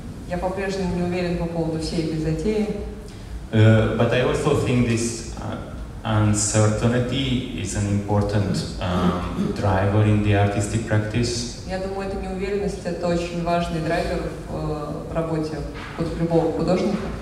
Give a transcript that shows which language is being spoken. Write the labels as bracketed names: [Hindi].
[Russian] Я по-прежнему не уверен по поводу всей этой затеи. [English] But I also think this uncertainty is an important driver in the artistic practice. [Russian] Я думаю, эта неуверенность — это очень важный драйвер в работе вот любого художника.